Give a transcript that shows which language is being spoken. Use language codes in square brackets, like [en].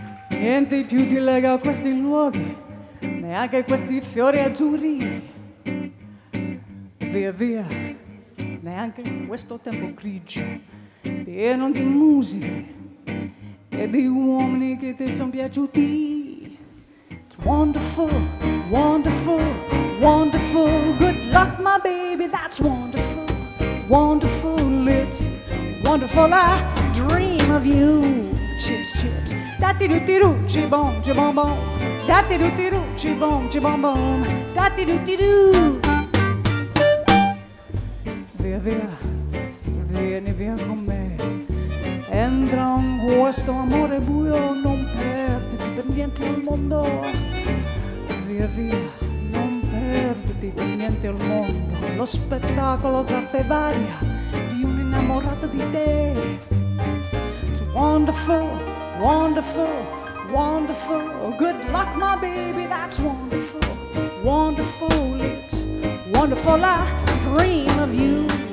[it] Niente più ti lega a questi luoghi, neanche questi fiori azzurri. Via via, neanche questo tempo grigio, pieno di musiche e di uomini che ti sono piaciuti. [en] It's wonderful, wonderful, wonderful. Good luck, my baby, that's wonderful, wonderful. It's wonderful, I dream of you. Chips, chips, dati du ti ru, ci bom, ci bom bom. Dati du ti ru, ci bom, ci bom bom. Dati du ti ru. [it] Via via, vieni via con me. Entra in questo amore buio, non perditi per niente il mondo. Via via, non perditi per niente il mondo. Lo spettacolo d'arte varia di un innamorato di te. [en] It's wonderful, wonderful, wonderful. Good luck, my baby, that's wonderful, wonderful. It's wonderful, I dream of you.